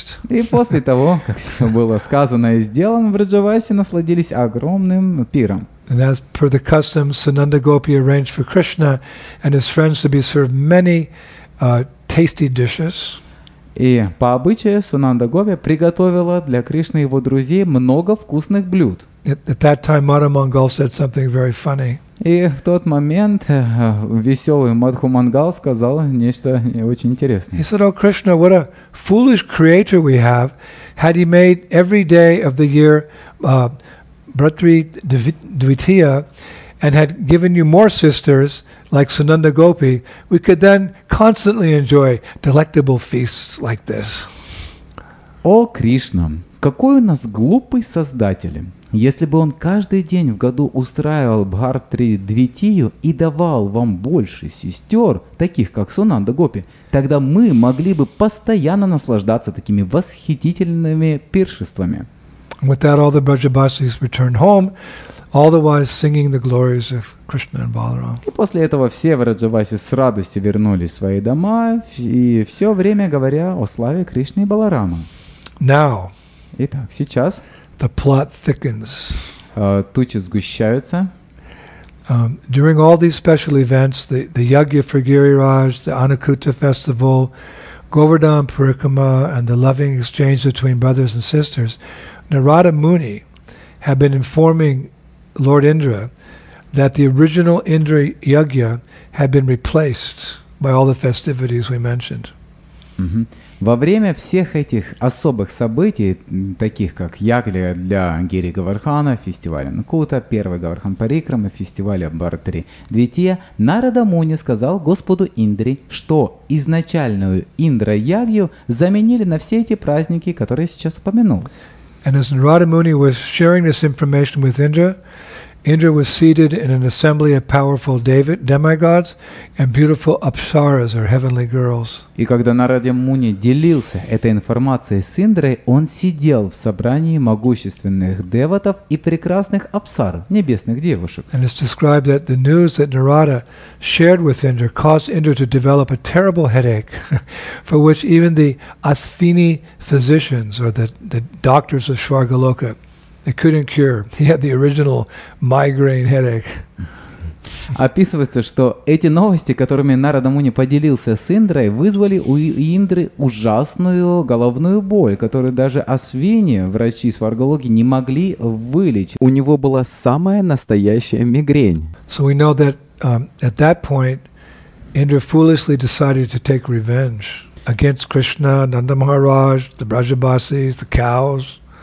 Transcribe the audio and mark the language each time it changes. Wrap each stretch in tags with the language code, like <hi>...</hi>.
<ru>И после того, как все было сказано и сделано, в Раджаваси насладились огромным пиром.</ru> <en>And as per the custom, Sunanda Gopi arranged for Krishna and his friends to be served many tasty dishes.</en> <ru>И по обычаю Сунанда Гопи приготовила для Кришны и его друзей много вкусных блюд.</ru> <en>At that time, Mother Mangal said something very funny.</en> <ru>И в тот момент веселый Мадху Мангал сказал нечто очень интересное.</ru> <en>He said, "Oh Krishna, what a foolish creator we have! Had he made every day of the year Bhratri Dvitiya and had given you more sisters like Sunanda Gopi, we could then constantly enjoy delectable feasts like this."</en> <ru>О, Кришна, какой у нас глупый создатель! Если бы он каждый день в году устраивал Бхартри Двитию и давал вам больше сестер, таких как Сунанда Гопи, тогда мы могли бы постоянно наслаждаться такими восхитительными пиршествами.</ru> <en>With that, all the Brajabasis returned home, all the while singing the glories of Krishna and Balaram.</en> <ru>И после этого все в Раджабасе с радостью вернулись в свои дома и все время говоря о славе Кришны и Баларамы.</ru> <en>Now.</en> <ru>Итак, сейчас.</ru> <en>The plot thickens.</en> <ru>Тучи сгущаются.</ru> <en>During all these special events, the Yagya for Giriraj, the Anakuta festival, Govardhan Parikrama, and the loving exchange between brothers and sisters, Narada Muni had been informing Lord Indra that the original Indra Yagya had been replaced by all the festivities we mentioned. Mm-hmm.</en> <ru>Во время всех этих особых событий, таких как Ягли для Гири Говардхана, фестиваль Нкута, первый Говардхан Парикрама, фестиваль Бхартри Двития, Нарада Муни сказал Господу Индре, что изначальную Индра-Ягью заменили на все эти праздники, которые я сейчас упомянул.</ru> <en>And as Narada Muni was sharing this information with Indra, Indra was seated in an assembly of powerful demigods and beautiful apsaras, or heavenly girls.</en> <ru>И когда Нарада Муни делился этой информацией с Индрой, он сидел в собрании могущественных деватов и прекрасных апсар, небесных девушек.</ru> <en>And it's described that the news that Narada shared with Indra caused Indra to develop a terrible headache, for which even the Asvini physicians, or the doctors of Swargaloka, they couldn't cure. He had the original migraine headache.</en> <ru>Описывается, что эти новости, которыми Нарада Муни поделился с Индрой, вызвали у Индры ужасную головную боль, которую даже Асвини, врачи Сваргалоки, не могли вылечить. У него была самая настоящая мигрень.</ru> <en>So we know that at that point Indra foolishly decided to take revenge against Krishna, Nanda Maharaj, the Brajabasis, the cows.</en>